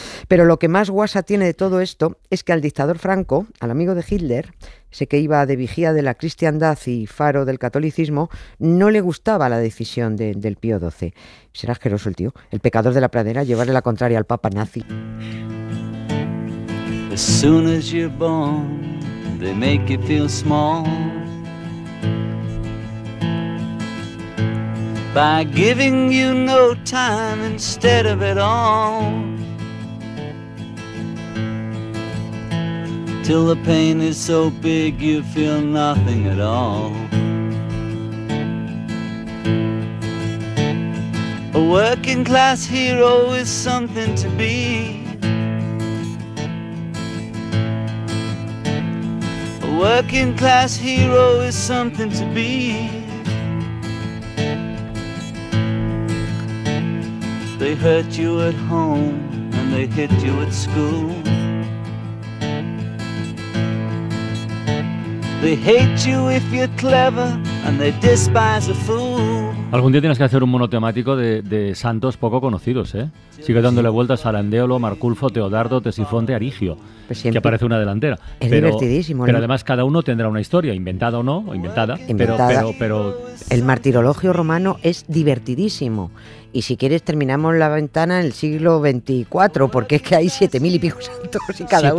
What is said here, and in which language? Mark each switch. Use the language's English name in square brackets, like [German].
[Spanish] Pero lo que más guasa tiene de todo esto es que al dictador Franco, al amigo de Hitler, ese que iba de vigía de la cristiandad y faro del catolicismo, no le gustaba la decisión del Pío XII. Será asqueroso el tío, el pecador de la pradera, llevarle la contraria al papa nazi. [English] As soon as you're born, they make you feel small by giving you no time instead of it all. Till the pain is so big you feel nothing at all. A working class hero is something to be. A working class hero is something to be. They hurt you at home and they hit you at school. They hate you if you're clever and they despise a fool. [Spanish] Algún día tienes que hacer un monotemático de santos poco conocidos, ¿eh? Sigue dándole vueltas a Arandeolo, Marculfo, Teodardo, Tesifonte, Arigio, que aparece una delantera. Divertidísimo. Pero además cada uno tendrá una historia, inventada o no, o inventada. Pero el martirologio romano es divertidísimo. Y si quieres terminamos la ventana en el siglo XXIV, porque es que hay 7000 y pico santos y cada uno.